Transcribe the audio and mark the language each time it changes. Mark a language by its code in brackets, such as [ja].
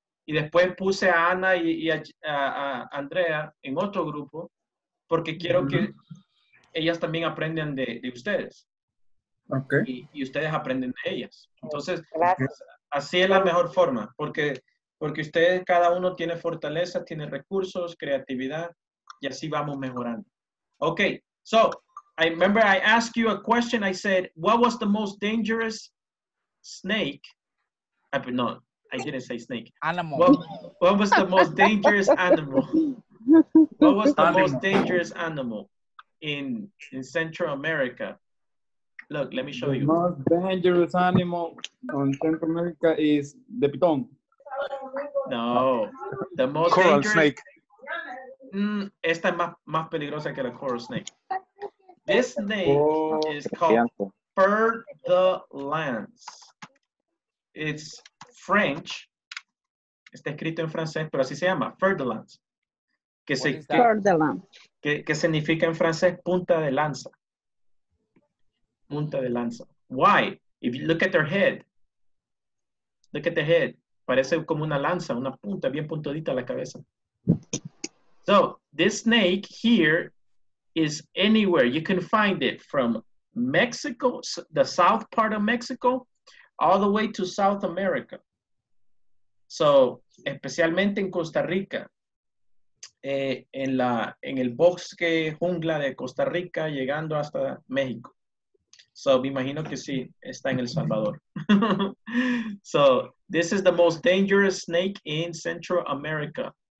[es] Y después puse a Ana y a Andrea en otro grupo porque quiero que ellas también aprendan de ustedes. [en] Okay. [es] Y ustedes aprenden de ellas. Entonces, gracias. Así es la mejor forma, porque ustedes, cada uno tiene fortaleza, tiene recursos, creatividad, y así vamos mejorando. [en] Okay, so, I remember I asked you a question, I said, what was the most dangerous snake? No, I didn't say snake. Animal. What was the most dangerous animal? What was the most dangerous animal in Central America? Look, let me show the you. The most dangerous animal in Central America is the python. No. The most coral dangerous snake. [es] Esta es más peligrosa que la [en] coral snake. This snake is called fur the lance. It's French. [es] Está escrito en francés, pero así se llama, fur the lance. [en] Fur the lance. [es] Que significa en francés punta de lanza. Punta de lanza. [en] Why? If you look at their head. Look at the head. [es] Parece como una lanza, una punta bien puntudita a la cabeza. [en] So, this snake here is anywhere. You can find it from Mexico, the south part of Mexico, all the way to South America. So, [es] especialmente en Costa Rica. En el bosque jungla de Costa Rica, llegando hasta México. [en] So, [es] me imagino que sí, está en El Salvador. [en] So, this is the most dangerous snake in Central America.